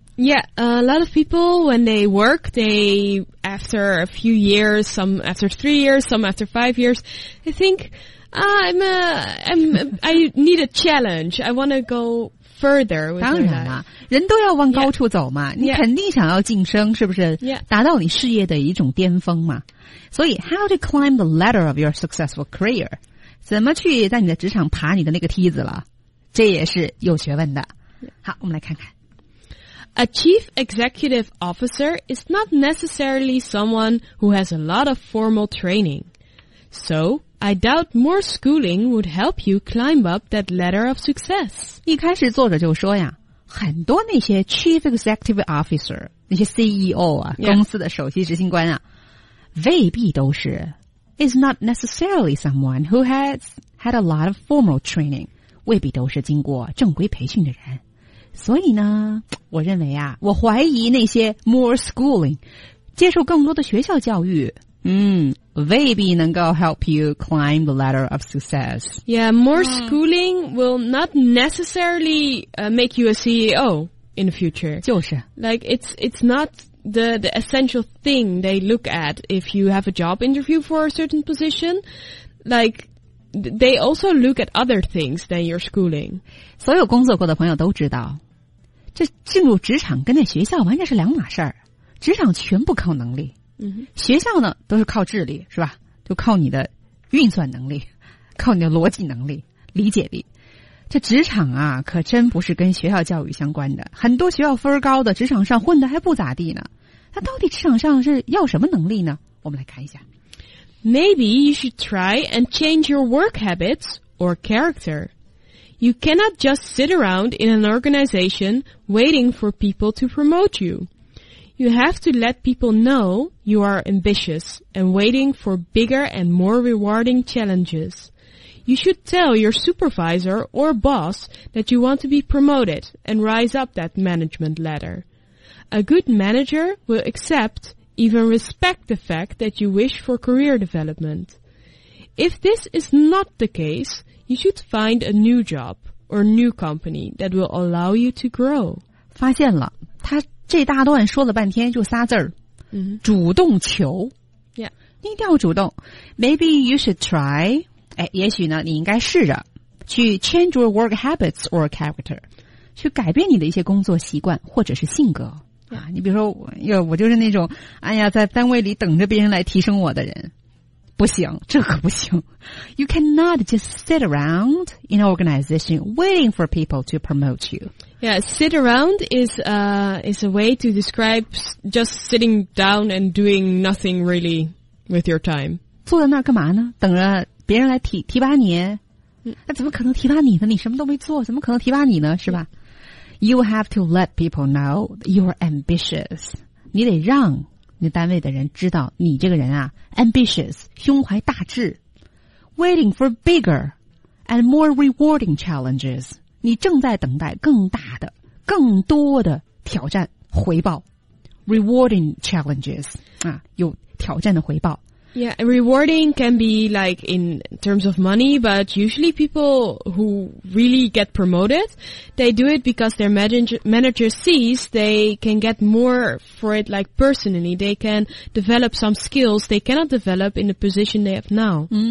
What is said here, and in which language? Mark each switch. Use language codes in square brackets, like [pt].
[en] Yeah, a lot of people, when they work, they, after a few years, some after 3 years, some after 5 years, they think, I need a challenge. I want to go further. [zh] 当然了，人都要往高处走嘛，你肯定想要晋升，是不是？ [en] Yeah. [zh] 达到你事业的一种巅峰嘛。所以 [en] how to climb the ladder of your successful career? [zh] 怎么去在你的职场爬你的那个梯子了？这也是有学问的。好，我们来看看。 [en] A chief executive officer is not necessarily someone who has a lot of formal training. So, I doubt more schooling would help you climb up that ladder of success. [zh] 一开始作者就说呀，很多那些 [en] chief executive officer, [zh] 那些 CEO 啊，公司的首席执行官啊，未必都是 [en] is not necessarily someone who has had a lot of formal training, [zh] 未必都是经过正规培训的人。所以呢，我认为啊，我怀疑那些 [en] more schooling, [zh] 接受更多的学校教育，未必能够 [en] help you climb the ladder of success. Yeah, more schooling will not necessarily make you a CEO in the future. [zh] 就是。 [en] Like, it's not the essential thing they look at if you have a job interview for a certain position. Like,They also look at other things than your schooling. [zh] 所有工作过的朋友都知道，这进入职场跟那学校完全是两码事儿。职场全部靠能力，学校呢都是靠智力，是吧？就靠你的运算能力，靠你的逻辑能力、理解力。这职场啊，可真不是跟学校教育相关的。很多学校分高的，职场上混的还不咋地呢。那到底职场上是要什么能力呢？我们来看一下。 [en] Maybe you should try and change your work habits or character. You cannot just sit around in an organization waiting for people to promote you. You have to let people know you are ambitious and waiting for bigger and more rewarding challenges. You should tell your supervisor or boss that you want to be promoted and rise up that management ladder. A good manager will accept... even respect the fact that you wish for career development. If this is not the case, you should find a new job or new company that will allow you to grow. [zh] 发现了，他这大段说了半天就仨字儿，主动求。 [en] Yeah. [zh] 你一定要主动。 [en] Maybe you should try, [zh] 哎，也许呢，你应该试着去 [en] change your work habits or character, [zh] 去改变你的一些工作习惯或者是性格。啊，你比如说我就是那种，哎呀，在单位里等着别人来提升我的人，不行，这可不行。 [en] You cannot just sit around in an organization waiting for people to promote you. Yeah, sit around is a way to describe just sitting down and doing nothing really with your time. [zh] 坐在那儿干嘛呢？等着别人来提拔你？那怎么可能提拔你呢？你什么都没做，怎么可能提拔你呢？是吧？ [en] You have to let people know you're ambitious. [zh] 你得让你单位的人知道你这个人啊 , [en] ambitious, [zh] 胸怀大志。 [en] Waiting for bigger and more rewarding challenges. [zh] 你正在等待更大的、更多的挑战回报。 [en] Rewarding challenges, [zh] 啊，有挑战的回报。 [en] Yeah, rewarding can be like in terms of money, but usually people who really get promoted, they do it because their manager sees they can get more for it like personally. They can develop some skills they cannot develop in the position they have now.